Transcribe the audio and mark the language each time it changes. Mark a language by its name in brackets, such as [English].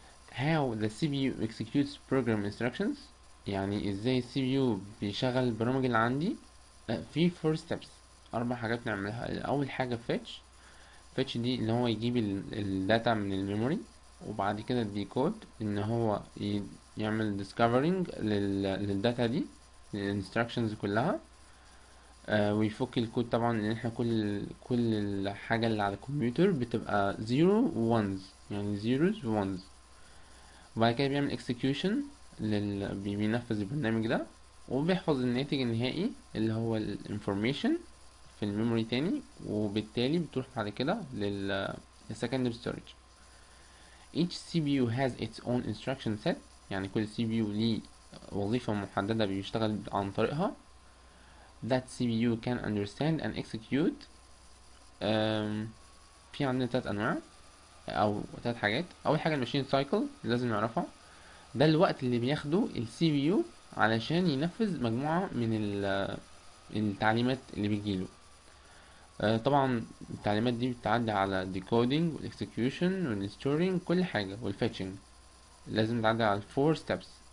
[English] How the CPU executes program instructions، [Arabic] يعني ازاي ال CPU بيشغل البرامج اللي عندي. في 4 steps، اربع حاجات نعملها. اول حاجة fetch دي اللي هو يجيب ال data من الميموري، وبعد كده decode ان هو يعمل discovering لل data دي لل instructions كلها، ويفك الكود طبعا، لان احنا كل الحاجة اللي على الكمبيوتر بتبقى 0 و 1s، يعني 0s و 1s. وبعد كده بيعمل execution بينفذ البرنامج ده، وبيحفظ الناتج النهائي اللي هو ال information في الميموري تاني، وبالتالي بتروح بعد كده لل secondary storage. [English] each CPU has its own instruction set، [Arabic] يعني كل CPU ليه وظيفة محددة بيشتغل عن طريقها. [English] that CPU can understand and execute. [Arabic] في عندنا تلات أنواع أو تلات حاجات. أول حاجة الماشين سايكل لازم نعرفها، ده الوقت اللي بياخده ال CPU علشان ينفذ مجموعة من التعليمات اللي بيجيله. طبعا التعليمات دي بتعدي على decoding وال execution وال storing كل حاجة وال fetching، لازم تعدي على 4 steps.